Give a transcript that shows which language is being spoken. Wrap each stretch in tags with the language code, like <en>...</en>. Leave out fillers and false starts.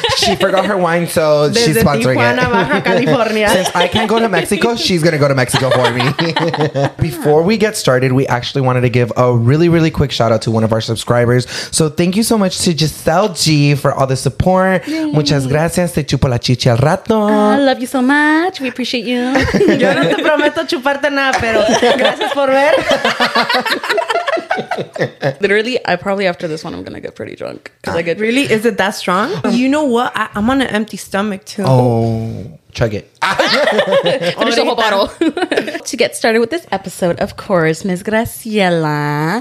<en>She forgot her wine, so she's sponsoring Tijuana, it. Baja California. Since I can't go to Mexico, she's going to go to Mexico for me. Before we get started, we actually wanted to give a really, really quick shout out to one of our subscribers. So thank you so much to Giselle G for all the support. Yay.</en> <es>Muchas gracias. Te chupo la chichi al rato.</es> <en>I love you so much. We appreciate you.</en> <es>Yo no te prometo chuparte nada, pero gracias por ver.</es> <en>Literally, I probably after this one, I'm going to get pretty drunk. Really? Is it that strong? You know what? I'm on an empty stomach, too. Oh, chug it. Finish the whole bottle. To get started with this episode, of course, Ms. Graciela.</en>